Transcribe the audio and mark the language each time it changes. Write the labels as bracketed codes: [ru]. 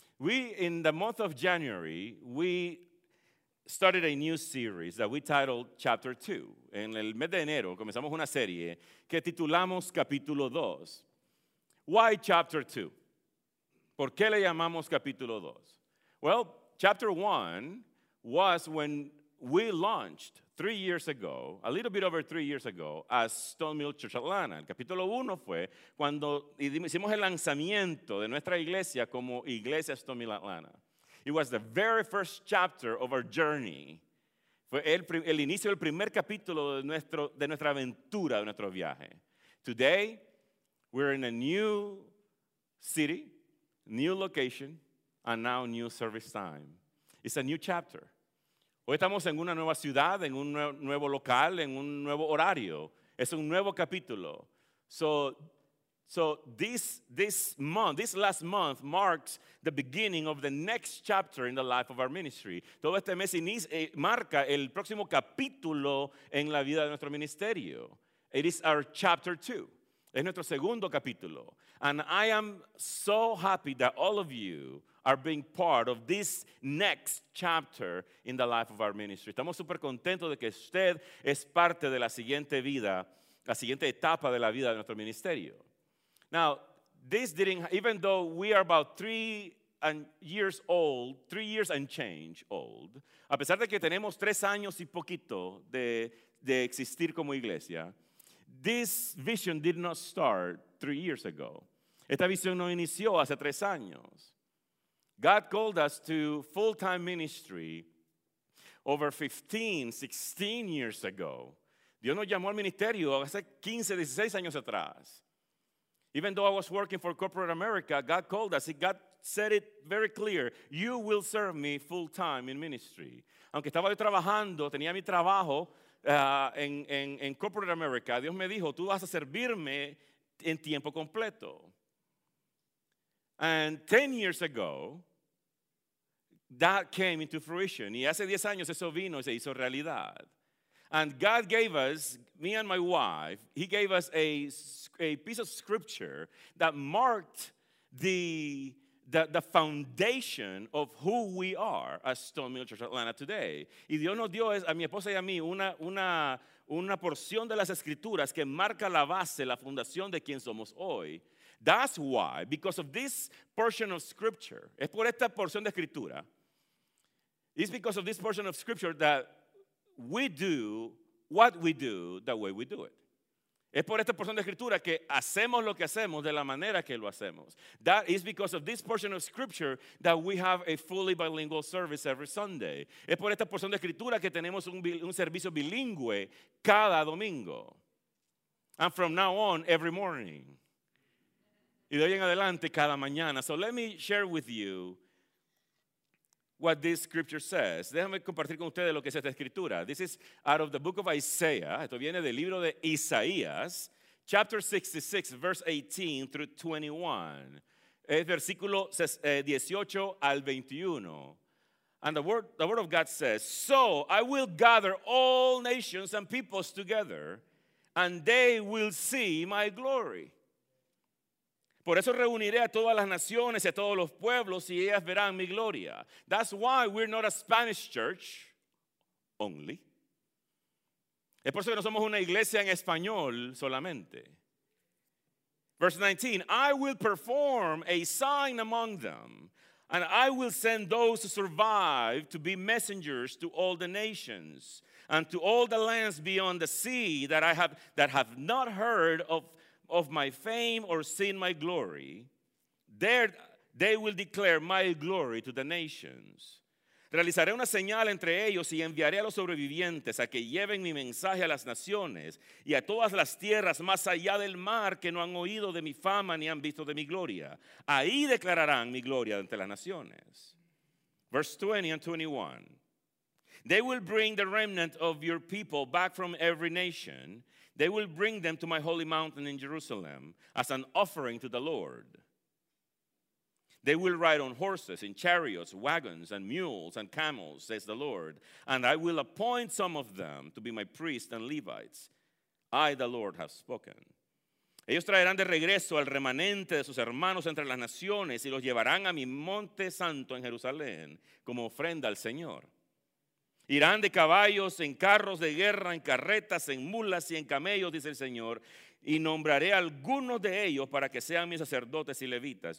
[en] We, in the month of January, we started a new series that we titled Chapter 2. [es] En el mes de enero comenzamos una serie que titulamos Capítulo 2. [en] Why Chapter 2? [es] ¿Por qué le llamamos Capítulo 2? [en] Well, Chapter 1 was when we launched 3 years ago, a little bit over 3 years ago, as Stone Mill Church Atlanta. [es] El capítulo 1 fue cuando hicimos el lanzamiento de nuestra iglesia como Iglesia Stone Mill Atlanta. [en] It was the very first chapter of our journey. [es] Fue el inicio del primer capítulo de nuestra aventura, de nuestro viaje. [en] Today, we're in a new city, new location, and now new service time. It's a new chapter. [es] Hoy estamos en una nueva ciudad, en un nuevo local, en un nuevo horario. Es un nuevo capítulo. [en] So this month, this last month marks the beginning of the next chapter in the life of our ministry. [es] Todo este mes marca el próximo capítulo en la vida de nuestro ministerio. [en] It is our chapter 2. [es] Es nuestro segundo capítulo. [en] And I am so happy that all of you are being part of this next chapter in the life of our ministry. [es] Estamos súper contentos de que usted es parte de la siguiente etapa de la vida de nuestro ministerio. [en] Now, even though we are about 3 years old, 3 years and change old, [es] a pesar de que tenemos 3 años y poquito de existir como iglesia, [en] this vision did not start 3 years ago. [es] Esta visión no inició hace 3 años. [en] God called us to full-time ministry over 16 years ago. [es] Dios nos llamó al ministerio hace 15, 16 años atrás. [en] Even though I was working for corporate America, God called us. God said it very clear. You will serve me full-time in ministry. [es] Aunque estaba yo trabajando, tenía mi trabajo en corporate America, Dios me dijo, tú vas a servirme en tiempo completo. [en] And 10 years ago, that came into fruition. [es] Y hace 10 años eso vino y se hizo realidad. [en] And God gave us, me and my wife, he gave us a piece of scripture that marked the foundation of who we are as Stone Mill Church Atlanta today. [es] Y Dios nos dio a mi esposa y a mí una porción de las escrituras que marca la base, la fundación de quién somos hoy. [en] That's why, because of this portion of scripture, [es] es por esta porción de escritura, [en] it's because of this portion of scripture that we do what we do the way we do it. [es] Es por esta porción de escritura que hacemos lo que hacemos de la manera que lo hacemos. [en] That is because of this portion of scripture that we have a fully bilingual service every Sunday. [es] Es por esta porción de escritura que tenemos un servicio bilingüe cada domingo. [en] And from now on, every morning. [es] Y de hoy en adelante, cada mañana. [en] So let me share with you what this scripture says. [es] Déjame compartir con ustedes lo que es esta escritura. [en] This is out of the book of Isaiah. [es] Esto viene del libro de Isaías, [en] chapter 66, verse 18 through 21. [es] Es versículo 18 al 21. [en] And the word of God says, so I will gather all nations and peoples together, and they will see my glory. [es] Por eso reuniré a todas las naciones y a todos los pueblos y ellas verán mi gloria. [en] That's why we're not a Spanish church only. [es] Es por eso que no somos una iglesia en español solamente. [en] Verse 19, I will perform a sign among them and I will send those who survive to be messengers to all the nations and to all the lands beyond the sea that have not heard of my fame or seen my glory, there they will declare my glory to the nations. [es] Realizaré una señal entre ellos y enviaré a los sobrevivientes a que lleven mi mensaje a las naciones y a todas las tierras más allá del mar que no han oído de mi fama ni han visto de mi gloria. Ahí declararán mi gloria ante las naciones. [en] Verse 20 and 21. They will bring the remnant of your people back from every nation. They will bring them to my holy mountain in Jerusalem as an offering to the Lord. They will ride on horses, in chariots, wagons, and mules, and camels, says the Lord. And I will appoint some of them to be my priests and Levites. I, the Lord, have spoken. [es] Ellos traerán de regreso al remanente de sus hermanos entre las naciones y los llevarán a mi monte santo en Jerusalén como ofrenda al Señor. Irán de caballos, en carros de guerra, en carretas, en mulas y en camellos, dice el Señor, y nombraré a algunos de ellos para que sean mis sacerdotes y levitas.